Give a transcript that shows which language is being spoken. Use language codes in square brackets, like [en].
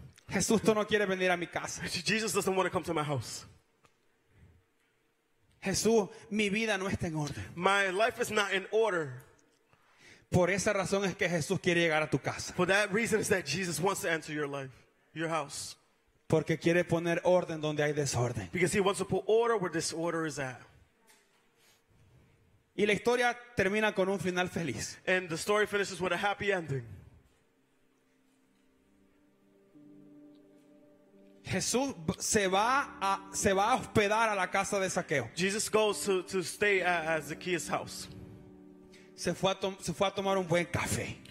[es] Jesús, tú no quieres venir a mi casa. [en] Jesus doesn't want to come to my house. [es] Jesús, mi vida no está en orden. [en] My life is not in order. [es] Por esa razón es que Jesús quiere llegar a tu casa. [en] For that reason is that Jesus wants to enter your life, your house. [es] Porque quiere poner orden donde hay desorden. [en] Because he wants to put order where disorder is at. [es] Y la historia termina con un final feliz. [en] And the story finishes with a happy ending. [es] Jesús se va a hospedar a la casa de Zaqueo. [en] Jesus goes to stay at Zacchaeus' house. [es] Se fue a tomar un buen café.